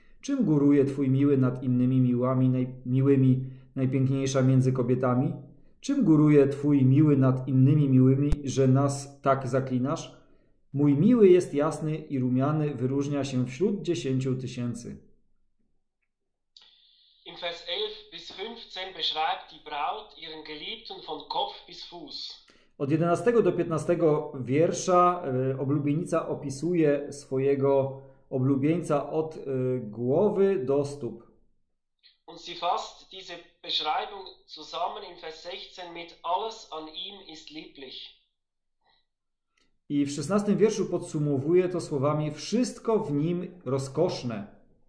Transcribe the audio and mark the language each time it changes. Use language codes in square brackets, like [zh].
[pl] Czym góruje twój miły nad innymi miłami, miłymi, najpiękniejsza między kobietami? Czym góruje twój miły nad innymi miłymi, że nas tak zaklinasz? Mój miły jest jasny i rumiany, wyróżnia się wśród 10 000. [de] In Vers 11 bis 15 beschreibt die Braut ihren Geliebten von Kopf bis Fuß. [pl] Od 11 do 15 wiersza oblubienica opisuje swojego oblubieńca od głowy do stóp. [de] Und sie fasst diese Beschreibung zusammen in Vers 16 mit alles an ihm ist lieblich. [pl] I w 16 wierszu podsumowuje to słowami wszystko w nim rozkoszne.